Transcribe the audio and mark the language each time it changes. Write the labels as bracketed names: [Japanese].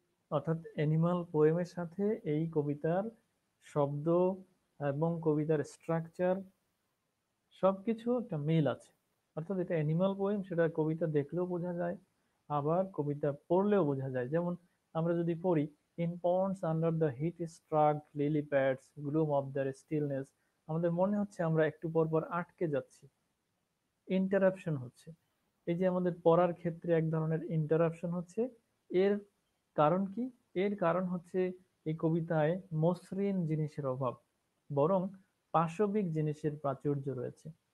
[Bangla] অর্থাৎ অ্যানিমাল পোয়েমের সাথে এই কবিতার শব্দ এবং কবিতার স্ট্রাকচার সব কিছু একটা মিল আছে, অর্থাৎ এটা অ্যানিমাল পোয়েম, সেটা কবিতা দেখলেও বোঝা যায়, আবার কবিতা পড়লেও বোঝা যায়। যেমন আমরা যদি পড়ি [English] In ponds under the heat struck lily pads, gloom of their stillness. [Bangla] আমাদের মনে হচ্ছে আমরা একটু পর পর আটকে যাচ্ছি, ইন্টারাপশন হচ্ছে। এই যে আমাদের পড়ার ক্ষেত্রে এক ধরনের ইন্টারাপশন হচ্ছে, এর কারণ কি? এর কারণ হচ্ছে এই কবিতায় মসৃণ জিনিসের অভাব, বরং পাশবিক জিনিসের প্রাচুর্য রয়েছে।